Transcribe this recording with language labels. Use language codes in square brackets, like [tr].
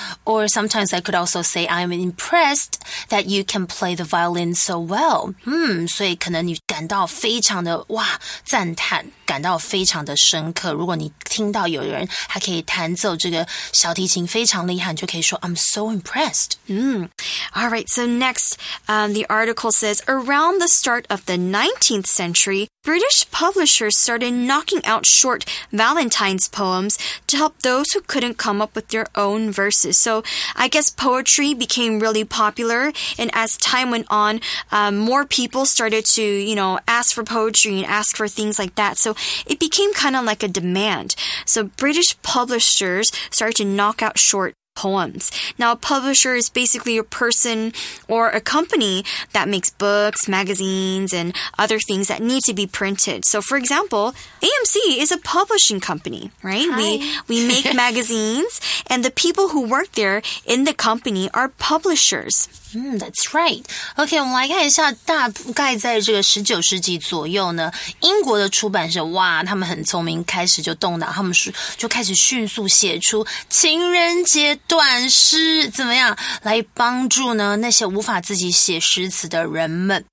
[en] Or sometimes I could also say I'm impressed. That you can play the violin so well. [zh] 所以可能你感到非常的哇赞叹，感到非常的深刻。如果你听到有人还可以弹奏这个小提琴非常厉害，你就可以说 [en] I'm so impressed. All right. So next, the article says around the start of the 19th century. British publishers started knocking out short Valentine's poems to help those who couldn't come up with their own verses. So I guess poetry became really popular, and as time went on, more people started to, you know, ask for poetry and ask for things like that. So it became kind of like a demand. So British publishers started to knock out short poems. Now, a publisher is basically a person or a company that makes books, magazines, and other things that need to be printed. So, for example, AMC is a publishing company, right? We make magazines, and the people who work there in the company are publishers. That's right. [zh] OK, 我们来看一下大概在这个19世纪左右呢，英国的出版社，哇，他们很聪明，开始就动脑，他们就开始迅速写出情人节短诗，怎么样，来帮助呢那些无法自己写诗词的人们。